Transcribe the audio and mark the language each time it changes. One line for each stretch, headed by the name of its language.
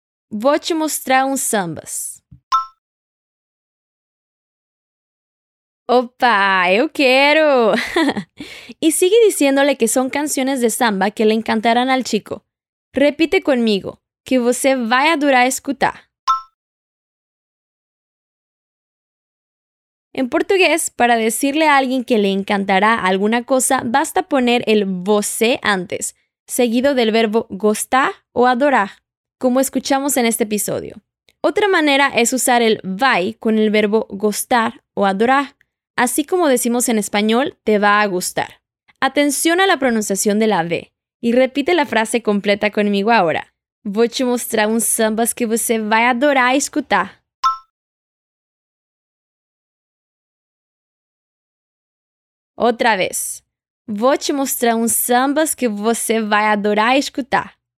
Portuguese: Vou te mostrar uns sambas. Opa, eu quero!
Spanish: E sigue diciéndole que são canciones de samba que le encantarán al chico. Repite conmigo,
Portuguese: que você vai adorar escutar.
Spanish: En portugués, para decirle a alguien que le encantará alguna cosa, basta poner el você antes, seguido del verbo gostar o adorar, como escuchamos en este episodio. Otra manera es usar el vai con el verbo gostar o adorar, así como decimos en español, te va a gustar. Atención a la pronunciación de la V y repite la frase completa conmigo ahora.
Portuguese: Vou te mostrar uns sambas que você vai adorar escutar.
Spanish: Otra vez.
Portuguese: Vou te mostrar uns sambas que você vai adorar escutar.